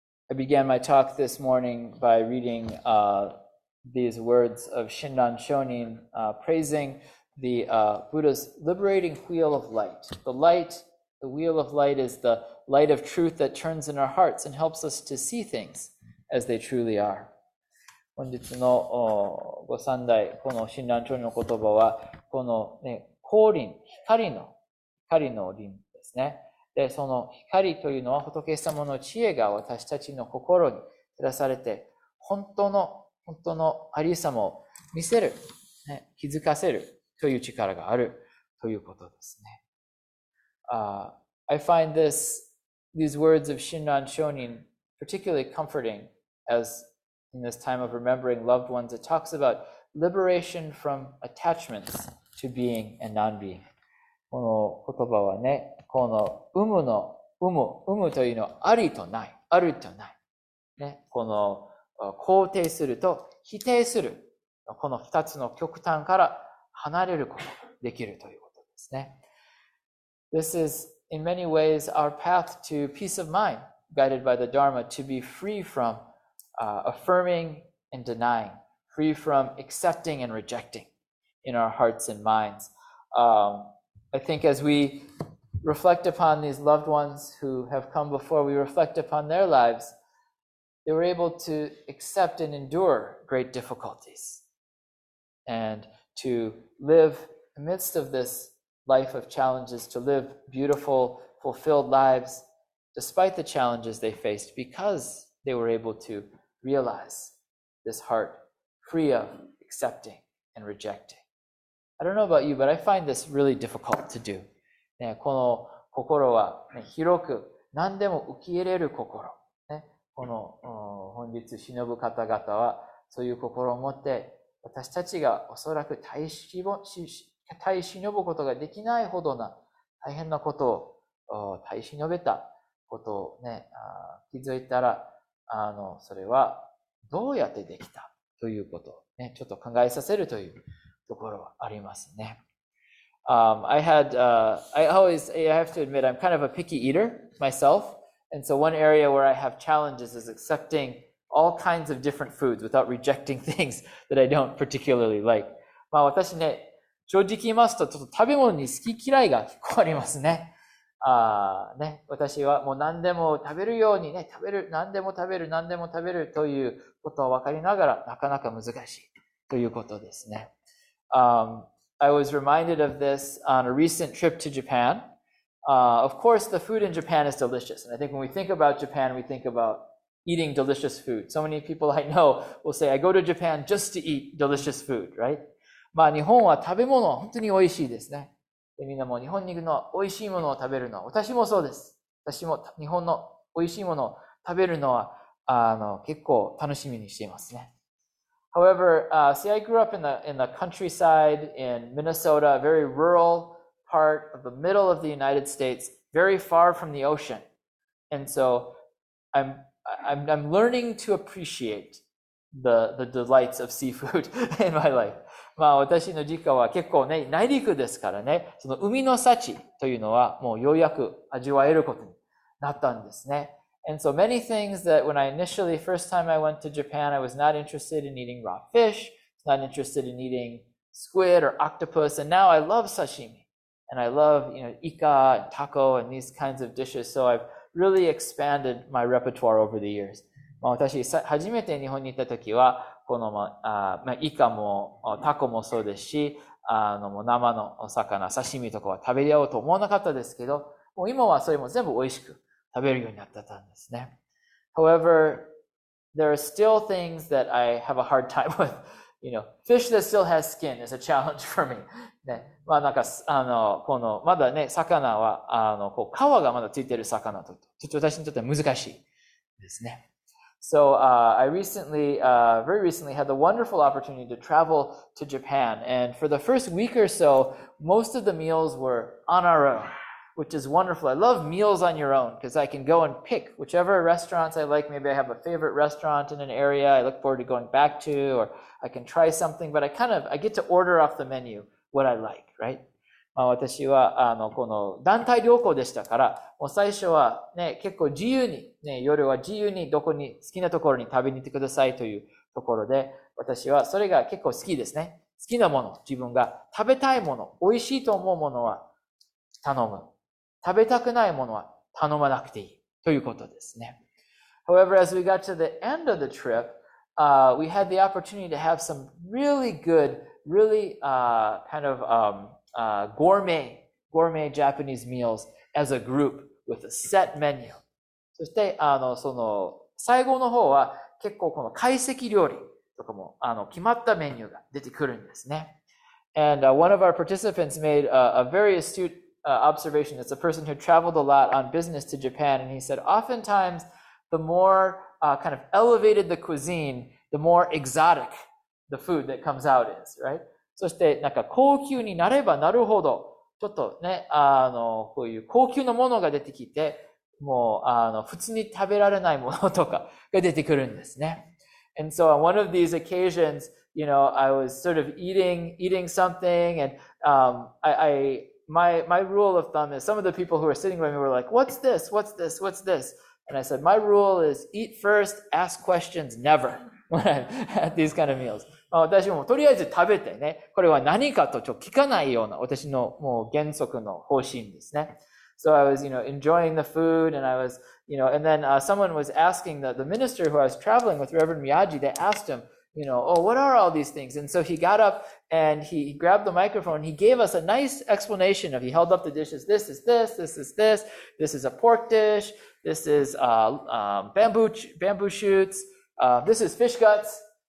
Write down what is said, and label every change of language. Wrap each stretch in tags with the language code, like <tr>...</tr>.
<en>I began my talk this morning by reading these words of Shinran Shonin praising the Buddha's liberating wheel of light. The wheel of light is the light of truth that turns in our hearts and helps us to see things as they truly are.</en> <ja>本日のご三代、この親鸞聖人の言葉は、このね、光輪、光の輪ですね。で、その光というのは仏様の知恵が私たちの心に照らされて、本当のありさまを見せる、ね、気づかせる。という力があるということですね。</ja> <en>I find these words of Shinran Shonin particularly comforting as in this time of remembering loved ones, it talks about liberation from attachments to being and non-being.</en> <ja>この言葉はね、この有無というのはありとない。ね、この肯定すると否定する、この二つの極端から離れることができるということですね。</ja> <en>This is in many ways our path to peace of mind, guided by the Dharma, to be free from affirming and denying, free from accepting and rejecting in our hearts and minds. I think as we reflect upon these loved ones who have come before, we reflect upon their lives, they were able to accept and endure great difficulties. And to live amidst of this life of challenges, to live beautiful, fulfilled lives, despite the challenges they faced, because they were able to realize this heart free of accepting and rejecting. I don't know about you, but I find this really difficult to do.</en> <ja>ね、この心は、ね、広く何でも受け入れる心。ね、この、本日忍ぶ方々はそういう心を持って、私たちがおそらく耐え忍ぶことができないほどな大変なことを耐え忍べたことをね、気づいたら、それはどうやってできたということを、ね、ちょっと考えさせるというところはありますね。</ja> <en>I have to admit, I'm kind of a picky eater myself. And so one area where I have challenges is accepting all kinds of different foods without rejecting things that I don't particularly like.</en> <ja>まあ私ね、正直言いますと、ちょっと食べ物に好き嫌いが結構ありますね。ね、私はもう何でも食べるようにね、何でも食べるということを分かりながら、なかなか難しいということですね。</ja> <en>I was reminded of this on a recent trip to Japan. Of course, the food in Japan is delicious. And I think when we think about Japan, we think abouteating delicious food. So many people I know will say, I go to Japan just to eat delicious food, right?</en> <ja>まあ日本は食べ物は本当に美味しいですね。でみんなも日本に行くのは美味しいものを食べるのは、私もそうです。私も日本の美味しいものを食べるのは、結構楽しみにしていますね。</ja> <en>However, see, I grew up in the countryside in Minnesota, a very rural part of the middle of the United States, very far from the ocean. And so, I'm learning to appreciate the delights of seafood in my life.</en> <ja>まあ私の実家は結構ね、内陸ですからね、その海の幸というのはもうようやく味わえることになったんですね。</ja> <en>And so many things that when I initially, first time I went to Japan, I was not interested in eating raw fish, not interested in eating squid or octopus, and now I love sashimi. And I love, you know, ika and taco and these kinds of dishes, so I've really expanded my repertoire over the years.</en> <ja>まあ私、初めて日本に行った時は、この、まあ、まあ、イカもタコもそうですし、あの、生のお魚、刺身とかは食べり合おうと思わなかったですけど、もう今はそれも全部美味しく食べるようになったんですね。</ja> <en>However, there are still things that I have a hard time with. You know, fish that still has skin is a challenge for me.</en> <ja>ね。まあなんか、あの、この、まだね、魚は、あの、こう、皮がまだついてる魚と、ちょっと私にとっては難しいですね。</ja> <en>So, I recently, very recently had the wonderful opportunity to travel to Japan. And for the first week or so, most of the meals were on our own, which is wonderful. I love meals on your own because I can go and pick whichever restaurants I like. Maybe I have a favorite restaurant in an area I look forward to going back to, or I can try something, but I get to order off the menu what I like, right?</en> <ja>まあ、私はあのこの団体旅行でしたから、もう最初は、ね、結構自由に、ね、夜は自由にどこに好きなところに食べに行ってくださいというところで、私はそれが結構好きですね。好きなもの、自分が食べたいもの、美味しいと思うものは頼む。食べたくないものは頼まなくていいということですね。</ja> <en>However, as we got to the end of the trip, we had the opportunity to have some really good, really, kind of, gourmet Japanese meals as a group with a set menu.</en> <ja>そして、あの、その、最後の方は結構この懐石料理とかも、あの、決まったメニューが出てくるんですね。</ja> <en>And, one of our participants made a very astute observation. It's a person who traveled a lot on business to Japan, and he said, oftentimes, the more, kind of elevated the cuisine, the more exotic the food that comes out is, right?</en> <ja>そして、なんか、高級になればなるほど、ちょっとね、あの、こういう高級なものが出てきて、もう、あの、普通に食べられないものとかが出てくるんですね。</ja> <en>And so, on one of these occasions, you know, I was sort of eating something, and, my rule of thumb is, some of the people who were sitting with me were like, what's this? What's this? What's this? And I said, my rule is, eat first, ask questions, never, when I'm at these kind of meals.</en> <ja>まあ、私もとりあえず食べてね、これは何かとちょっと聞かないような私のもう原則の方針ですね。</ja> <en>So I was, you know, enjoying the food and I was, you know, and then, someone was asking the minister who I was traveling with, Reverend Miyaji, they asked him, you know, oh, what are all these things? And so he got up and he grabbed the microphone. He gave us a nice explanation of, he held up the dishes. This is this, this is this, this is a pork dish, this is, bamboo shoots, this is fish guts.</en>